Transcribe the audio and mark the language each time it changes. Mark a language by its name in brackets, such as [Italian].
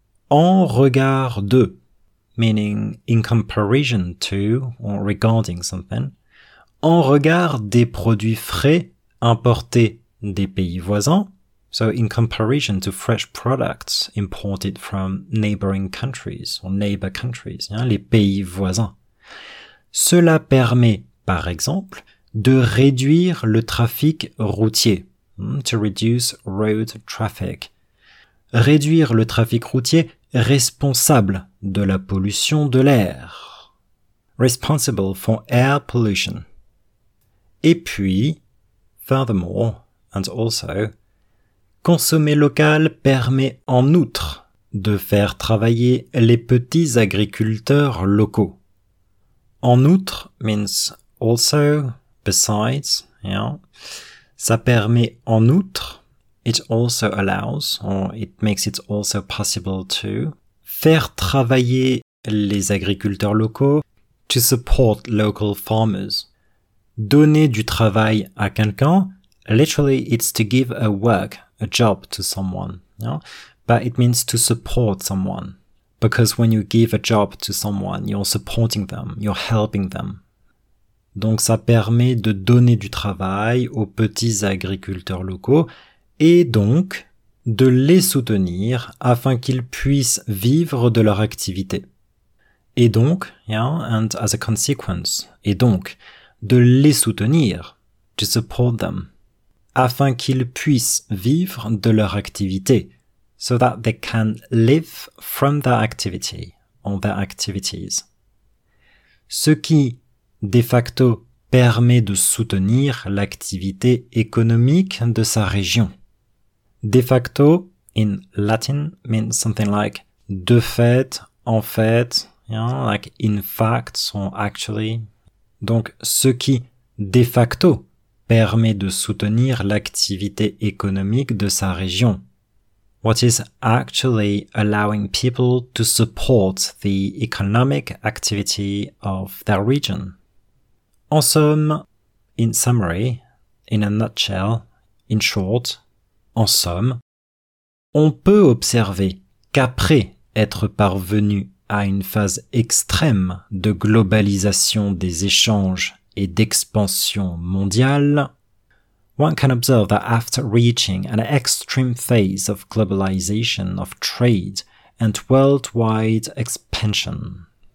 [French] En regard de, [English] meaning in comparison to, or regarding something, [French] en regard des produits frais importés des pays voisins, [English] so in comparison to fresh products imported from neighboring countries, or neighbor countries, yeah, [French] les pays voisins, cela permet, par exemple, de réduire le trafic routier, [English] to reduce road traffic. [French] Réduire le trafic routier responsable de la pollution de l'air. [English] Responsible for air pollution. [French] Et puis, [English] furthermore, and also, [French] consommer local permet en outre de faire travailler les petits agriculteurs locaux. [English] En outre means also, besides, yeah. [French] Ça permet en outre, [English] it also allows, or it makes it also possible to, [French] faire travailler les agriculteurs locaux, [English] to support local farmers. [French] Donner du travail à quelqu'un, [English] literally it's to give a work, a job to someone, yeah? But it means to support someone. Because when you give a job to someone, you're supporting them, you're helping them. [French] Donc ça permet de donner du travail aux petits agriculteurs locaux et donc de les soutenir afin qu'ils puissent vivre de leur activité. Et donc, [English] yeah, and as a consequence, [French] et donc, de les soutenir, [English] to support them, [French] afin qu'ils puissent vivre de leur activité, [English] so that they can live from their activity, or their activities. [French] Ce qui, de facto, permet de soutenir l'activité économique de sa région. [English] De facto, in Latin, means something like [French] de fait, en fait, [English] you know, like in fact or actually. [French] Donc, ce qui, de facto, permet de soutenir l'activité économique de sa région. [English] What is actually allowing people to support the economic activity of their region? [French] En somme, [English] in summary, in a nutshell, in short, [French] en somme, on peut observer qu'après être parvenu à une phase extrême de globalisation des échanges et d'expansion mondiale, [English] one can observe that after reaching an extreme phase of globalization of trade and worldwide expansion,